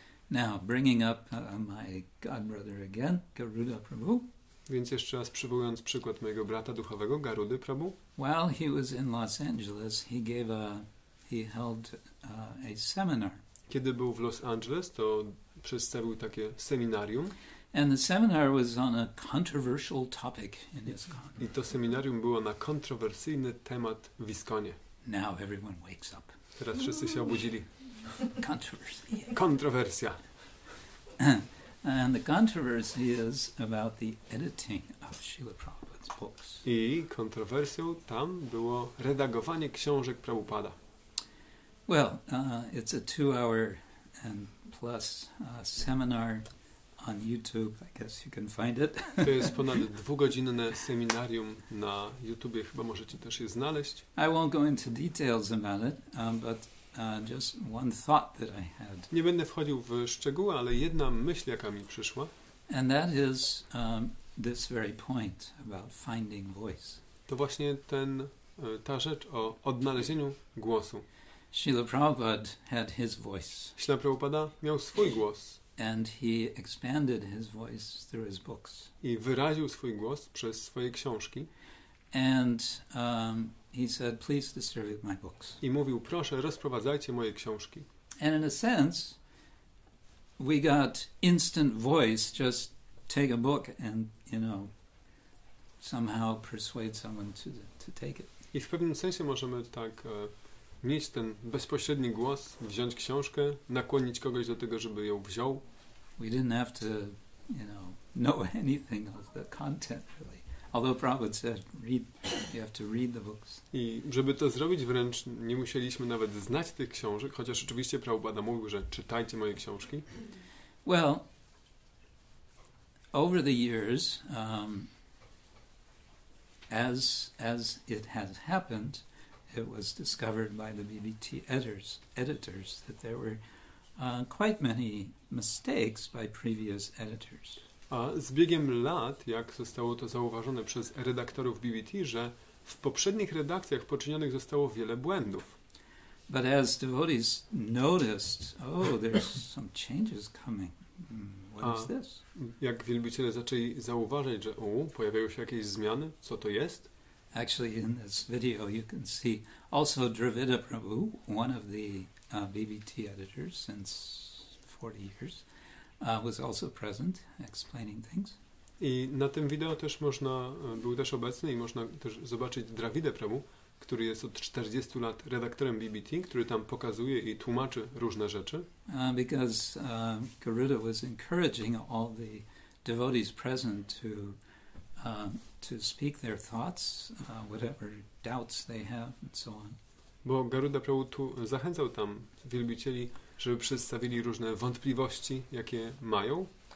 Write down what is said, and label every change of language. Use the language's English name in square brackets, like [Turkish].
[English] Now, bringing up my god brother again, Garuda Prabhu. [Polish] Więc jeszcze raz przywołując przykład mojego brata duchowego, Garudy Prabhu. [English] While he was in Los Angeles, he gave a he held a seminar. [Polish] Kiedy był w Los Angeles, to przedstawił takie seminarium. [English] And the seminar was on a controversial topic in Iskon. [Polish] I to seminarium było na kontrowersyjny temat w Iskonie. [English] Now everyone wakes up. [Polish] Teraz wszyscy się obudzili. [English] Controversy. [Polish] Kontrowersja. [English] And the controversy is about the editing of Srila Prabhupada's books. [Polish] I kontrowersją tam było redagowanie książek Prabhupada. [English] Well, it's a 2-hour and plus seminar on YouTube. I guess you can find it. [Polish] To jest ponad dwugodzinne seminarium na YouTubie. Chyba możecie też je znaleźć. [English] I won't go into details about it, but just one thought that I had. [Polish] Nie będę wchodził w szczegóły, ale jedna myśl, jaka mi przyszła. [English] And that is this very point about finding voice. [Polish] To właśnie ta rzecz o odnalezieniu głosu. [English] Srila Prabhupada had his voice. [Polish] Srila Prabhupada miał swój głos. [English] And he expanded his voice through his books. [Polish] I wyraził swój głos przez swoje książki. [English] And he said, please distribute my books. [Polish] I mówił, proszę, rozprowadzajcie moje książki. [English] And in a sense, we got instant voice, just take a book and, you know, somehow persuade someone to take it. [Polish] I w pewnym sensie możemy tak mieć ten bezpośredni głos, wziąć książkę, nakłonić kogoś do tego, żeby ją wziął. [English] We didn't have to, you know anything of the content really. Although Prabhupada said, you have to read the books. [Polish] I żeby to zrobić, wręcz nie musieliśmy nawet znać tych książek, chociaż oczywiście Prabhupada mówił, że czytajcie moje książki. [English] Well, over the years, as it has happened, it was discovered by the BBT editors that there were quite many mistakes by previous editors. [Polish] A z biegiem lat, jak zostało to zauważone przez redaktorów BBT, że w poprzednich redakcjach poczynionych zostało wiele błędów. [English] But as devotees noticed, oh, there's some changes coming. What is this? [Polish] Jak wielbiciele zaczęli zauważać, że pojawiają się jakieś zmiany, co to jest? [English] Actually, in this video, you can see also Dravida Prabhu, one of the BBT editors since 40 years, was also present explaining things. [Polish] I na tym wideo też można, był też obecny i można też zobaczyć Dravida Prabhu, który jest od 40 lat redaktorem BBT, który tam pokazuje i tłumaczy różne rzeczy. [English] Because Garuda was encouraging all the devotees present to speak their thoughts, whatever doubts they have, and so on. [Polish] Bo Garuda Prabhu tu zachęcał tam wielbicieli, żeby przedstawili różne wątpliwości, jakie mają.